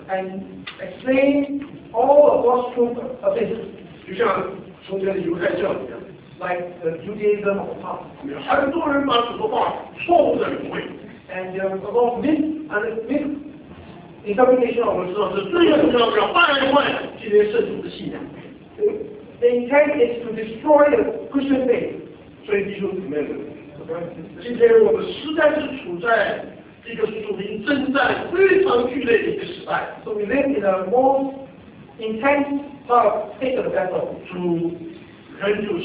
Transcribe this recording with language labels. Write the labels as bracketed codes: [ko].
[en] And explain all of God's truth of it. [zh] 就像从前的犹太教一样。 [en] Like the Judaism of the past. [zh] 很多人把主的话错误的领会。 [en] And there are a lot of misinterpretation of the intent is to destroy the Christian faith. [zh] 所以弟兄姊妹们，今天我们实在是处在一个属灵征战非常剧烈的一个时代。 [en] So we live in a most intense part of the state of the battle.